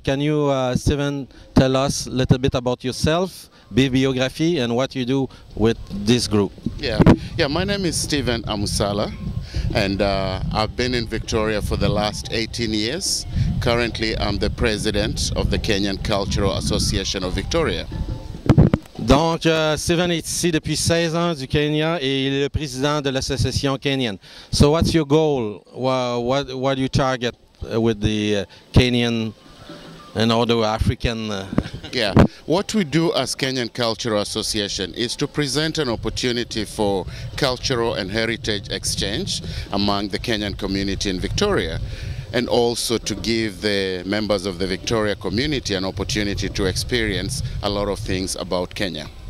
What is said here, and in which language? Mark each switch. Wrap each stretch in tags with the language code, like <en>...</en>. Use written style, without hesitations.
<en>Can you, Steven, tell us a little bit about yourself, bibliography, and what you do with this group? Yeah. My name is Steven Amusala, and I've been in Victoria for the last 18 years. Currently, I'm the president of the Kenyan Cultural Association of Victoria.</en> <fr>Donc, Steven est ici depuis 16 ans du Kenya et il est le président de l'association kenyan.</fr> <en>So, what's your goal? What do you target with the Kenyan and other African? What we do as Kenyan Cultural Association is to present an opportunity for cultural and heritage exchange among the Kenyan community in Victoria, and also to give the members of the Victoria community an opportunity to experience a lot of things about Kenya.</en>